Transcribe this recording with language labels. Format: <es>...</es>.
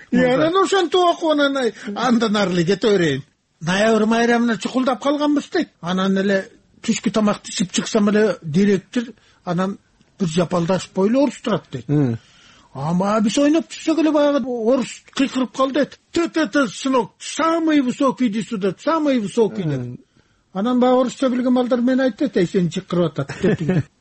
<ky>Анан ошентип окуп анан андан ары эле кете берейин. Ноябрь майрамына чукулдап калганбыз дейт. Анан эле түшкү тамакты ичип чыксам эле директор анан бир жапалдаш бойлуу орус турат дейт. Ама биз ойноп түшсөк эле баягы орус кыйкырып калды дейт.</ky> <ru>Т-т-т сынок, самый высокий иди сюда, самый высокий</ru> <ky>деп. Анан баягы орусча билген балдар мени айтат, эй сени чыкырып атат деп.</ky>